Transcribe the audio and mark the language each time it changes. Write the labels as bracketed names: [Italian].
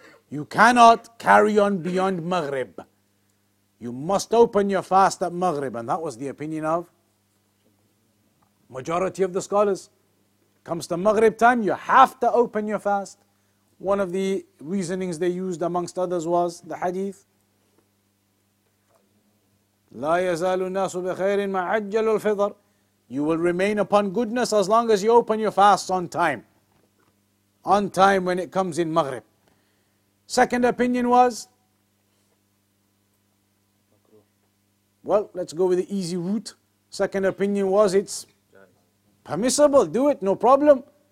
[English] You cannot carry on beyond Maghrib. You must open your fast at Maghrib. And that was the opinion of majority of the scholars. Comes to Maghrib time, you have to open your fast. One of the reasonings they used amongst others was the hadith. [Arabic] لا يزال الناس بخير ما عجلوا الفطر. [English] You will remain upon goodness as long as you open your fast on time. On time when it comes in Maghrib. Second opinion was, well, let's go with the easy route. Second opinion was, it's permissible, do it, no problem.